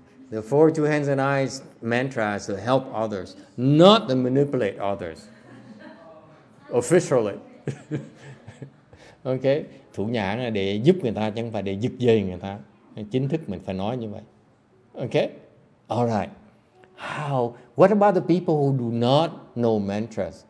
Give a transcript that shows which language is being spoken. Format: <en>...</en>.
<en>The four two hands and eyes mantra is to help others, not to manipulate others. Officially. Okay.</en> <vi>Thủ nhãn là để giúp người ta, chứ không phải để giật dây người ta. Chính thức mình phải nói như vậy.</vi> <en>Okay. All right. How? What about the people who do not know mantras?</en>